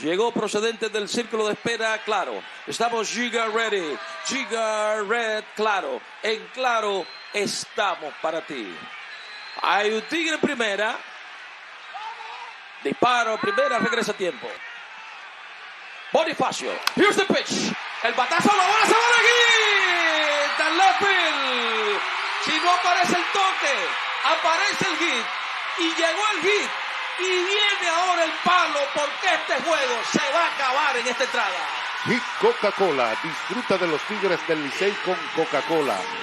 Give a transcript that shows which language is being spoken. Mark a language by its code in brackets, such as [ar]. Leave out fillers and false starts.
[es] Llegó procedente del círculo de espera. Claro, estamos Giga Ready. Giga Red, claro. En Claro estamos para ti. Hay un tigre en primera. Disparo, primera, regresa tiempo. [en] Bonifacio, here's the pitch. [es] El batazo, la bola se va de aquí. Está en left field. Si no aparece el toque, aparece el hit. Y llegó el hit. Y viene ahora el palo, porque este juego se va a acabar en esta entrada. Hit Coca-Cola. Disfruta de los Tigres del Licey con Coca-Cola.